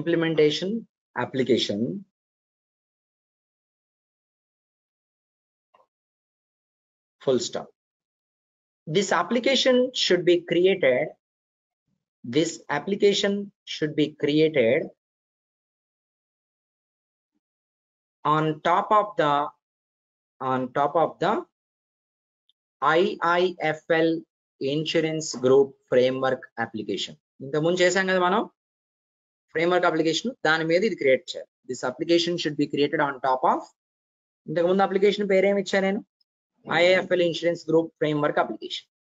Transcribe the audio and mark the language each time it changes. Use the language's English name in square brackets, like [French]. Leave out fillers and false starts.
[English] Create an auto insurance implementation application full stop. This application should be created. This application should be created on top of the IIFL Insurance Group Framework application. [Telugu] ఇంత ముందు చేసాం కదా మనం framework application, దాని మీద ఇది create చేయాలి. [English] This application should be created on top of. [Telugu] ఇంతకుముందు అప్లికేషన్ పేరేమి ఇచ్చా నేను, [English] IIFL Insurance Group Framework application.